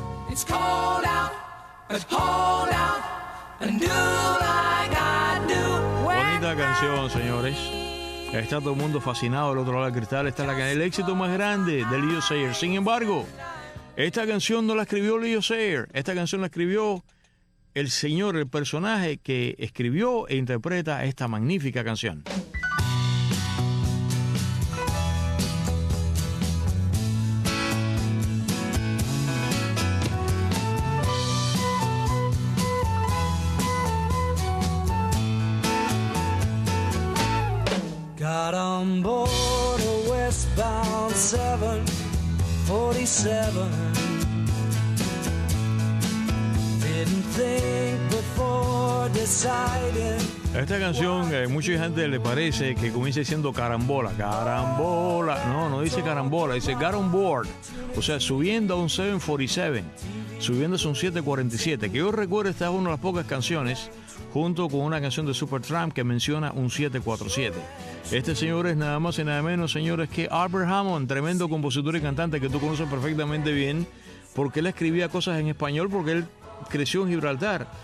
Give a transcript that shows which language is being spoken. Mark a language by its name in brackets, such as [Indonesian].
[English] It's cold out, but hold out and do like I do. [Spanish] Canción, señores. Está todo el mundo fascinado al otro lado del cristal. Esta es el éxito más grande de Leo Sayer. Sin embargo, esta canción no la escribió Leo Sayer. Esta canción la escribió el señor, el personaje que escribió e interpreta esta magnífica canción. [English] Got on board a westbound 747. Didn't think before deciding. [Spanish] Esta canción, mucha gente le parece que comienza diciendo carambola, carambola. No, no dice carambola, dice [English] got on board. [Spanish] O sea, subiendo a un 747, subiéndose a un 747. Que yo recuerdo, esta es una de las pocas canciones, junto con una canción de Supertramp que menciona un 747. Este señor es nada más y nada menos, señores, que Albert Hammond, tremendo compositor y cantante que tú conoces perfectamente bien, porque él escribía cosas en español, porque él creció en Gibraltar.